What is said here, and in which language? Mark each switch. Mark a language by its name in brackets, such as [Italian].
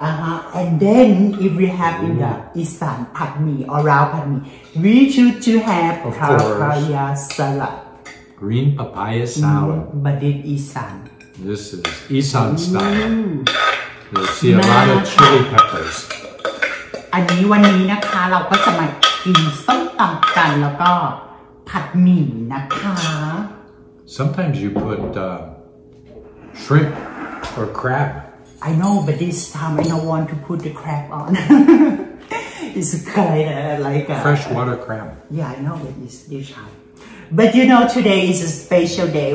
[English] And then if we have in the Isan Phat Mii or Rao Phat Mii, we should to have papaya salad. Green papaya salad. But in Isan. This is Isan style. You'll see a lot of chili peppers. [Thai] อันนี้วันนี้นะคะเราก็จะมากินส้มตำกันแล้วก็ผัดหมี่นะคะ [English] Sometimes you put shrimp or crab. I know, but this time I don't want to put the crab on. It's kind of like a freshwater crab. Yeah, I know, but it's this time. But you know, today is a special day.